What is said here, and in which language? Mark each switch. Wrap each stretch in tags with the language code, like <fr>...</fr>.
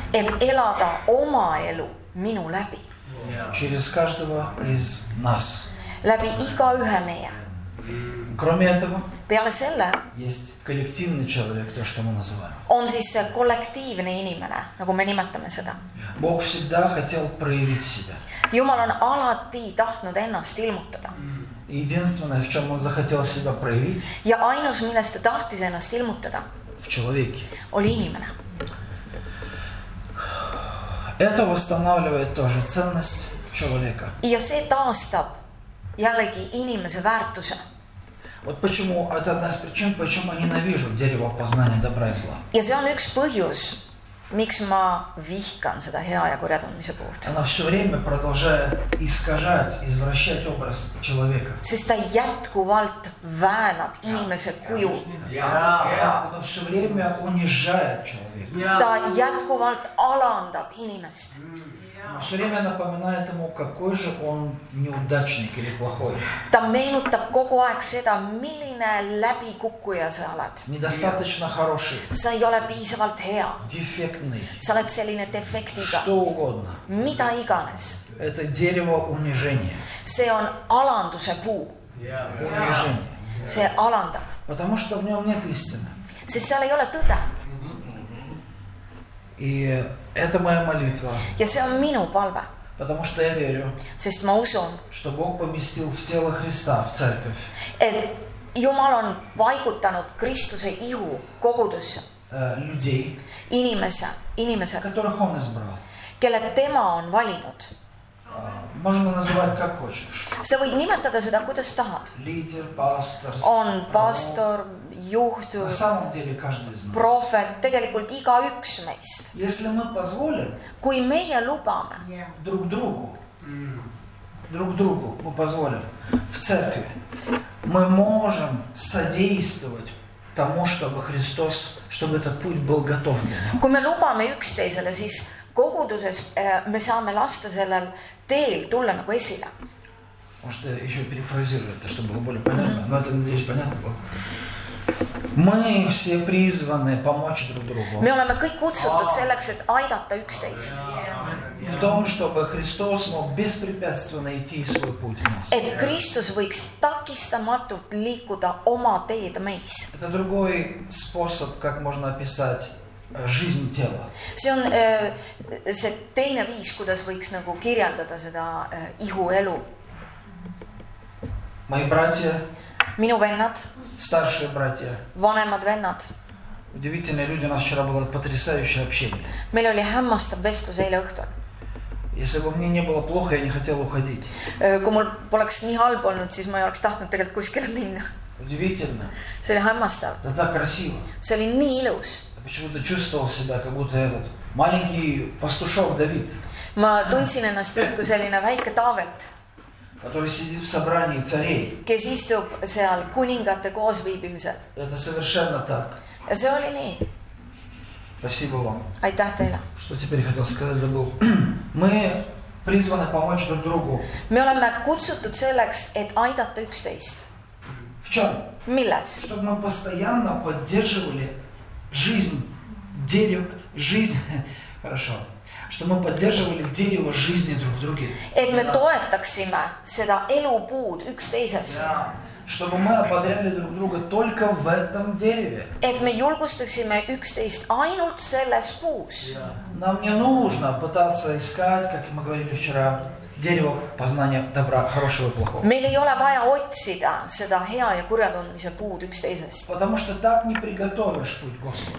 <et>Et elada oma elu minu läbi.</et> <ru>Yeah. Через каждого из нас.</ru> <et>Läbi iga ühe meie.</et> <ru>Кроме этого,</ru> <et>peale selle,</et> <ru>есть коллективный человек, то, что мы называем. Он</ru> <et>siis</et> <ru>коллективный</ru> <et>inimene, nagu me nimetame seda.</et> <ru>Бог всегда хотел проявить себя.</ru> <et>Jumal on alati tahtnud ennast ilmutada.</et> <ru>Единственное, в чем он захотел себя проявить,</ru> <et>ja ainus, millest ta tahtis ennast ilmutada,</et> <ru>в человеке,</ru> <et>oli inimene.</et> <ru>Это восстанавливает тоже ценность человека.</ru> <et>Ja see taastab jällegi inimese väärtuse.</et> <ru>Вот почему это одна из причин, почему я ненавижу дерево познания добра и зла.</ru> <et>Ja see on üks põhjus, miks ma vihkan seda hea ja kurja tundmise poolt.</et> <ru>Она все время продолжает искажать, извращать образ человека.</ru> <et>Sest ta jätkuvalt väänab inimese kuju.</et> <ru>Она все время унижает человека.</ru> <et>Ta jätkuvalt alandab inimest.</et> <ru>Все время напоминает ему, какой же он неудачник или плохой.</ru> <et>Ta meenutab kogu aeg seda, milline läbikukkuja sa oled.</et> <ru>Недостаточно хороший.</ru> <et>Sa ei ole piisavalt hea.</et> <ru>Дефектный.</ru> <et>Sa oled selline defektiga.</et> <ru>Что угодно.</ru> <et>Mida iganes.</et> <ru>Это дерево унижения.</ru> <et>See on alanduse puu.</et> <ru>Унижение.</ru> <et>See alandab.</et> <ru>Потому что в нем нет истины.</ru> <et>Sest seal ei ole tõde.</et> <ru>И это моя молитва.</ru> <et>Ja see on minu palve.</et> <ru>Потому что я верю.</ru> <et>Sest ma usun,</et> <ru>что Бог поместил в тело Христа, в церковь.</ru> <et>Et Jumal on paigutanud Kristuse ihu kogudusse.</et> <ru>Людей.</ru> <et>Inimesed.</et> <ru>Которых он избрал.</ru> <et>Kelle tema on valinud.</et> <ru>Можно называть как хочешь.</ru> <et>Sa võid nimetada seda, kuidas tahad.</et> <ru>Лидер, пастор.</ru> <et>On pastor, juht, prohvet, tegelikult iga üks meist.</et> <ru>Если мы позволим,</ru> <et>kui meie lubame,</et> <ru>друг другу, мы позволим, в церкви, мы можем содействовать тому, чтобы Христос, чтобы этот путь был готов.</ru> <et>Kui me lubame üksteisele, siis koguduses me saame lasta sellel teel tulla nagu esile.</et> <ru>Может, я еще перефразирую это, чтобы было более понятно, но это, надеюсь, понятно было. Мы все призваны помочь друг другу.</ru> <et>Me oleme kõik kutsutud selleks, et aidata üksteist.</et> <ru>В том, чтобы Христос мог беспрепятственно идти свой путь в нас.</ru> <et>Et Kristus võiks takistamatult liikuda oma teed meis.</et> <ru>Это другой способ, как можно описать жизнь тела.</ru> <et>See on see teine viis, kuidas võiks nagu kirjeldada seda ihu elu.</et> <ru>Мои братья.</ru> <et>Minu vennad.</et> <ru>Старшие братья.</ru> <et>Vanemad vennad.</et> <ru>Удивительные люди, у нас вчера было потрясающее общение.</ru> <et>Meil oli hämmastav vestlus eile õhtul.</et> <ru>Если бы мне не было плохо, я не хотел уходить.</ru> <et>Kui mul poleks nii halb olnud, siis ma ei oleks tahtnud tegelikult kuskile minna.</et> <ru>Удивительно.</ru> <et>See oli hämmastav.</et> <ru>Да так красиво.</ru> <et>See oli nii ilus.</et> <ru>Я почему-то чувствовал себя, как будто этот маленький пастушок Давид.</ru> <et>Ma tundsin ennast üht kui selline väike Taavet.</et> <ru>Который сидит в собрании царей.</ru> <et>Kes istub seal kuningate koosviibimisel.</et> <ru>Это совершенно так.</ru> <et>Ja see oli nii.</et> <ru>Спасибо вам.</ru> <et>Aitäh teile.</et> <ru>Что теперь хотел сказать, забыл. Мы призваны помочь друг другу.</ru> <et>Me oleme kutsutud selleks, et aidata üksteist.</et> <ru>В чем?</ru> <et>Milles?</et> <ru>Чтобы мы постоянно поддерживали жизнь, дерево, жизнь. Хорошо. Что мы поддерживали дерево жизни друг в друге.</ru> <et>Et me toetaksime seda elupuud üksteises.</et> <ru>Чтобы мы ободряли друг друга только в этом дереве.</ru> <et>Et me julgustaksime üksteist ainult selles puus.</et> <ru>Нам не нужно пытаться искать, как мы говорили вчера, дерево познания добра, хорошего и плохого.</ru> <et>Meil ei ole vaja otsida seda hea ja kurja tundmise puud üksteisest.</et> <ru>Потому что так не приготовишь путь Господу.</ru>